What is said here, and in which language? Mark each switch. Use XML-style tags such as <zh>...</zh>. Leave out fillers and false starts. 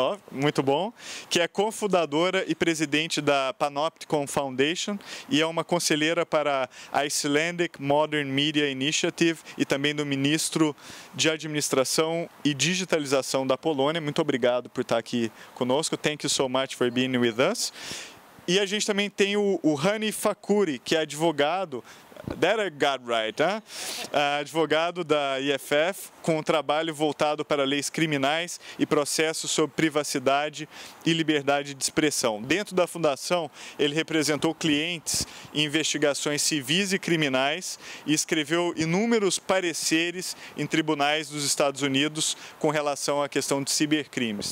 <pt>Muito bom, que é cofundadora e presidente da Panoptykon Foundation e é uma conselheira para a Icelandic Modern Media Initiative e também do ministro de Administração e Digitalização da Polônia. Muito obrigado por estar aqui conosco.</pt> <en>Thank you so much for being with us.</en> <pt>E a gente também tem o Hani Fakuri, que é advogado.</pt> <en>That I got right, huh?</en> <pt>Advogado da EFF, com um trabalho voltado para leis criminais e processos sobre privacidade e liberdade de expressão. Dentro da fundação, ele representou clientes em investigações civis e criminais e escreveu inúmeros pareceres em tribunais dos Estados Unidos com relação à questão de cibercrimes.</pt>